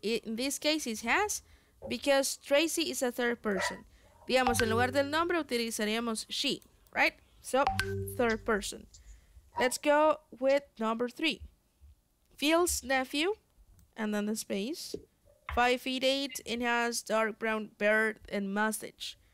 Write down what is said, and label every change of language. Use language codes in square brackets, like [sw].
[en] In this case, it has, because Tracy is a third person. [es] Digamos, en lugar del nombre, utilizaríamos she, right? [en] So, third person. Let's go with number three. Phil's nephew, and then the space, 5'8" and has dark brown beard and mustache.